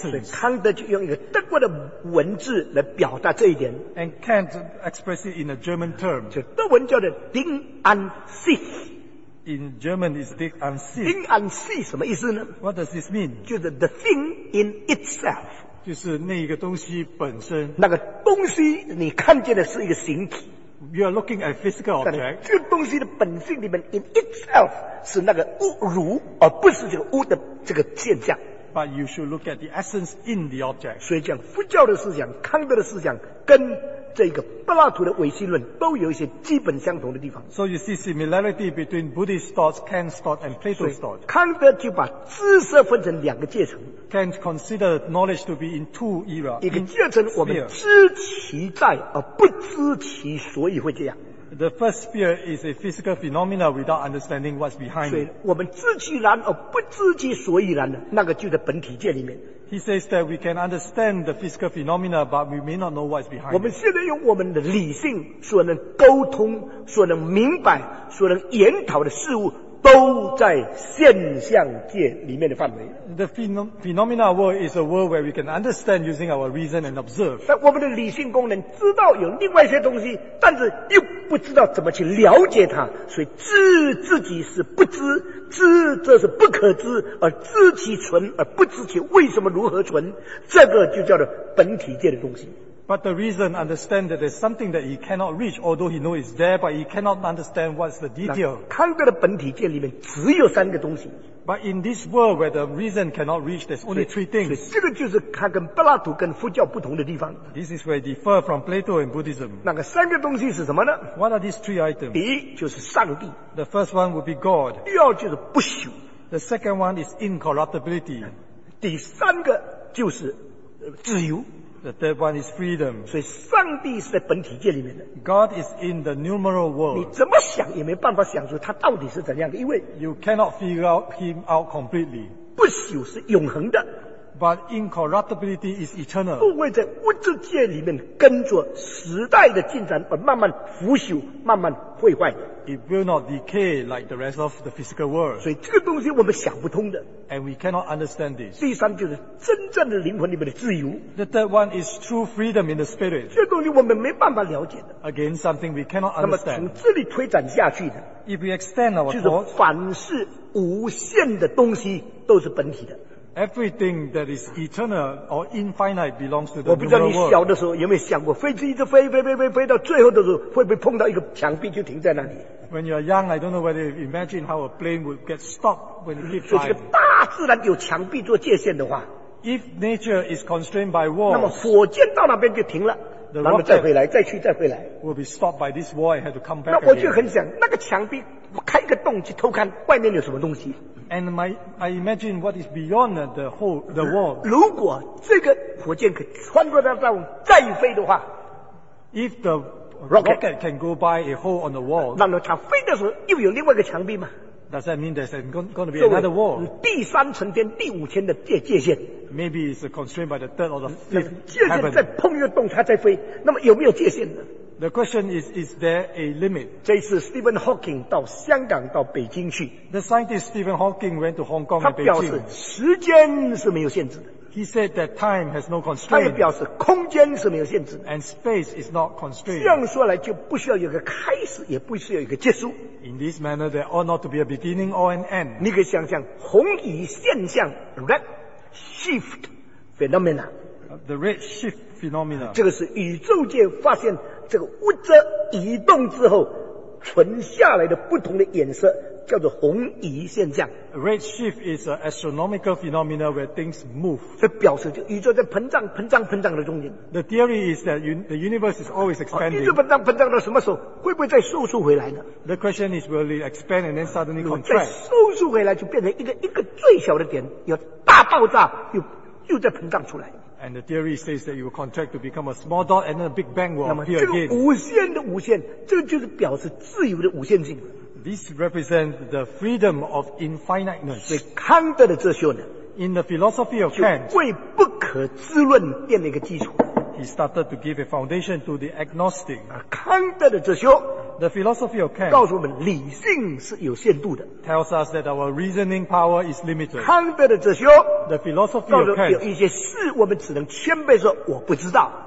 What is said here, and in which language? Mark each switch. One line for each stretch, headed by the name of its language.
Chinese: 所以康德就用一个德国的文字来表达这一点。
English: And Kant expressed it in a German term.
Chinese: 就德文叫做 Ding an sich.
English: in German is Ding an sich.
Chinese: Ding an sich 什么意思呢？
English: What does this mean?
Chinese: 就是
English: the thing in itself.
Chinese: 就是那一个东西本身。那个东西你看见的是一个形体。
English: You are looking at physical object.
Chinese: 这个东西的本性里面
English: in itself
Chinese: 是那个物如，而不是这个物的这个现象。
English: But you should look at the essence in the object.
Chinese: 所以讲佛教的思想、康德的思想跟这个柏拉图的唯心论都有一些基本相同的地方。
English: So you see similarity between Buddhist thoughts, Kant's thought, and Plato's thought.
Chinese: 康德就把知识分成两个阶层。
English: Kant considered knowledge to be in two eras.
Chinese: 一个阶层，我们知其在而不知其所以会这样。
English: The first sphere is a physical phenomena without understanding what's behind it.
Chinese: 我们知其然而不知其所以然的，那个就在本体界里面。
English: He says that we can understand the physical phenomena, but we may not know what's behind it.
Chinese: 我们现在用我们的理性所能沟通、所能明白、所能研讨的事物，都在现象界里面的范围。
English: The phenomena world is a world where we can understand using our reason and observe.
Chinese: 但我们的理性功能知道有另外一些东西，但是又不知道怎么去了解它，所以知自己是不知，知这是不可知，而知其存而不知其为什么如何存，这个就叫做本体界的东西。
English: But the reason understands that there's something that he cannot reach, although he knows it's there, but he cannot understand what's the detail.
Chinese: 康德的本体界里面只有三个东西。
English: But in this world where the reason cannot reach, there's only three things.
Chinese: 所以这个就是他跟柏拉图跟佛教不同的地方。
English: This is where they differ from Plato and Buddhism.
Chinese: 那个三个东西是什么呢？
English: What are these three items?
Chinese: 第一就是上帝。
English: The first one would be God.
Chinese: 第二就是不朽。
English: The second one is incorruptibility.
Chinese: 第三个就是自由。
English: The third one is freedom.
Chinese: 所以上帝是在本体界里面的。
English: God is in the numeral world.
Chinese: 你怎么想也没办法想出他到底是怎样的，因为
English: you cannot figure out him out completely.
Chinese: 不朽是永恒的。
English: But incorruptibility is eternal.
Chinese: 不会在物质界里面跟着时代的进展而慢慢腐朽，慢慢毁坏。
English: It will not decay like the rest of the physical world.
Chinese: 所以这个东西我们想不通的。
English: And we cannot understand this.
Chinese: 第三就是真正的灵魂里面的自由。
English: The third one is true freedom in the spirit.
Chinese: 这个东西我们没办法了解的。
English: Again, something we cannot understand.
Chinese: 那么从这里推展下去的。
English: If we extend our thought,
Chinese: 就是凡是无限的东西都是本体的。
English: Everything that is eternal or infinite belongs to the world.
Chinese: 我不知道你小的时候有没有想过，飞机一直飞飞飞飞飞到最后的时候，会不会碰到一个墙壁就停在那里？
English: When you are young, I don't know whether you imagine how a plane would get stopped when it hit.
Chinese: 所以这个大自然有墙壁做界限的话，
English: if nature is constrained by walls,
Chinese: 那么火箭到那边就停了，然后再回来，再去，再回来，
English: will be stopped by this wall and have to come back.
Chinese: 那我就很想，那个墙壁开一个洞去偷看外面有什么东西。
English: And I imagine what is beyond the hole, the wall.
Chinese: 如果这个火箭可以穿过那道再飞的话，
English: if the rocket can go by a hole on the wall,
Chinese: 那么它飞的时候又有另外一个墙壁吗？
English: Does that mean there's going to be another wall?
Chinese: 第三层天、第五天的界限。
English: Maybe it's constrained by the third or the fifth heaven.
Chinese: 界限再碰一个洞，它再飞，那么有没有界限呢？
English: The question is there a limit?
Chinese: 这次 Stephen Hawking 到香港到北京去。
English: The scientist Stephen Hawking went to Hong Kong and Beijing.
Chinese: 他表示时间是没有限制的。
English: He said that time has no constraint.
Chinese: 他也表示空间是没有限制的。
English: And space is not constrained.
Chinese: 这样说来就不需要有个开始，也不需要有个结束。
English: In this manner, there ought not to be a beginning or an end.
Chinese: 你可以想象红移现象
English: red shift phenomena. The red shift phenomena.
Chinese: 这个是宇宙界发现。这个物质移动之后存下来的不同的颜色叫做红移现象。
English: Red shift is an astronomical phenomenon where things move.
Chinese: 这表示就宇宙在膨胀膨胀膨胀的中间。
English: The theory is that the universe is always expanding.
Chinese: 宇宙膨胀膨胀到什么时候会不会再收缩回来呢？
English: The question is will it expand and then suddenly contract?
Chinese: 再收缩回来就变成一个最小的点，有大爆炸又再膨胀出来。
English: And the theory says that you will contract to become a small dot and then a big bang will appear again.
Chinese: 那么这个无限的无限，这个就是表示自由的无限性。
English: This represents the freedom of infiniteness.
Chinese: 所以康德的哲学呢，
English: in the philosophy of Kant,
Chinese: 就为不可知论奠了一个基础。
English: He started to give a foundation to the agnostic.
Chinese: 康德的哲学，
English: the philosophy of Kant,
Chinese: 告诉我们理性是有限度的。
English: Tells us that our reasoning power is limited.
Chinese: 康德的哲学，
English: the philosophy of Kant,
Chinese: 告诉有一些事我们只能谦卑说我不知道。